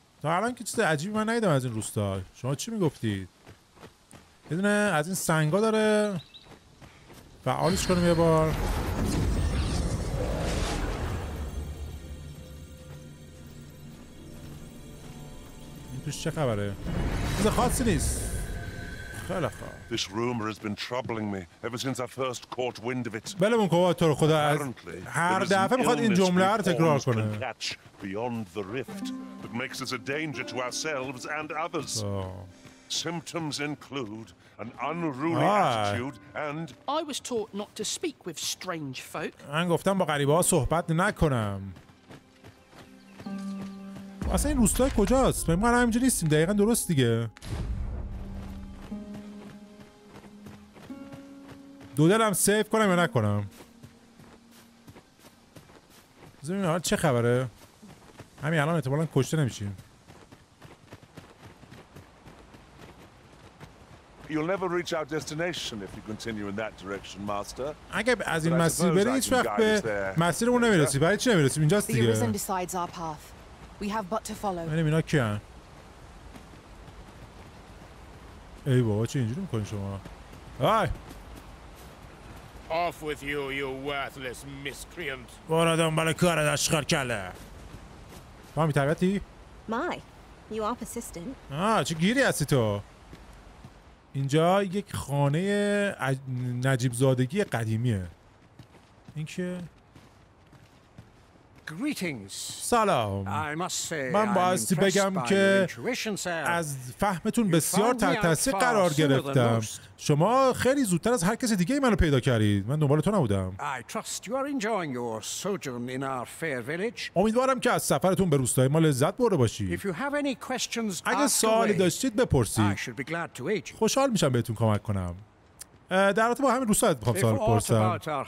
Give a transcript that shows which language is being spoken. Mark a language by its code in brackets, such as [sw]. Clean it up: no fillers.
[fa] تا الان که چیز عجیبی من ندیدم از این روستا. شما چی میگفتید؟ یه دونه از این سنگا داره فعالش کنم یه بار. توش چه خبره؟ چیز خاصی نیست. خیلی خوب. [en] This rumor has been troubling me ever since I first caught wind of it. [fa] بله من که تو رو خدا از هر دفعه میخواد این جمله رو تکرار کنه. [en] Beyond the rift that makes us a danger to ourselves and others. Symptoms include an unruly attitude and I was taught not to speak with strange folk. [fa] من گفتم با غریبه ها صحبت نکنم. اصلا این روستای کجاست؟ ما همینجا نیستیم. دقیقا درست دیگه. دو دلم سیف کنم یا نکنم؟ زمین حالا چه خبره؟ همین الان احتمالا کشته نمیشیم. [en] You'll never reach our destination if you continue in that direction, master. [fa] اگه از این مسیر بری هیچ وقت به مسیرمون نمیرسی. برای چی نمیرسیم؟ اینجاست دیگه. [en] We have but to follow. [fa] من اینا کیان. ای بابا چه اینجوری می‌کنی شما؟ آی. [en] Off with you, you worthless miscreant. [fa] برو دنبال کارت اشغال کله. ما میتوانی؟ [en] My, you are persistent. [fa] آه چه گیری هستی تو؟ اینجا یک خانه نجیب زادگی قدیمیه. این که [en] Greetings. [fa] سلام. [en] I must say, [fa] من بایستی بگم که از فهمتون بسیار تحت تاثیر قرار گرفتم. شما خیلی زودتر از هر کس دیگه ای منو پیدا کردید. من دنبال تو نبودم. [en] I trust you are enjoying your sojourn in our fair village. [fa] امیدوارم که از سفرتون به روستای ما لذت برده باشید. [en] If you have any questions, [fa] اگه سوالی داشتید بپرسید. [en] I should be glad to aid you. [fa] خوشحال میشم بهتون کمک کنم. در رابطه با همین روستایت میخوام سوال بپرسم.